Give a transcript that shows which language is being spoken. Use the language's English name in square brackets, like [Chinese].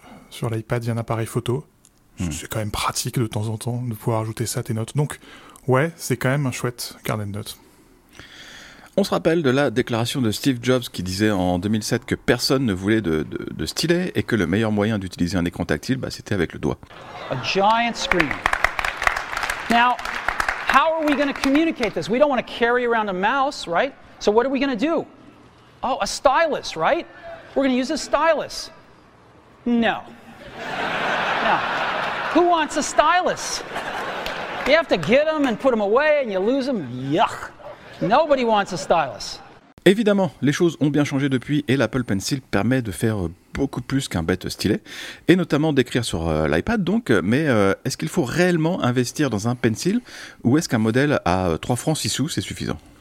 [French] Sur l'iPad, il y a un appareil photo. C'est quand même pratique de temps en temps de pouvoir ajouter ça à tes notes. Donc, ouais, c'est quand même un chouette carnet de notes. On se rappelle de la déclaration de Steve Jobs qui disait en 2007 que personne ne voulait de stylet et que le meilleur moyen d'utiliser un écran tactile, bah, c'était avec le doigt. [English] A giant screen. Now, how are we going to communicate this? We don't want to carry around a mouse, right? So what are we going to do? Oh, a stylus, right? We're going to use a stylus. No. No. Who wants a stylus? You have to get them and put them away and you lose them. Yuck. Nobody wants a stylus. [French] Évidemment, les choses ont bien changé depuis et l'Apple Pencil permet de faire beaucoup plus qu'un bête stylet, et notamment d'écrire sur l'iPad donc, mais est-ce qu'il faut réellement investir dans un Pencil ou est-ce qu'un modèle à 3 francs 6 sous c'est suffisant?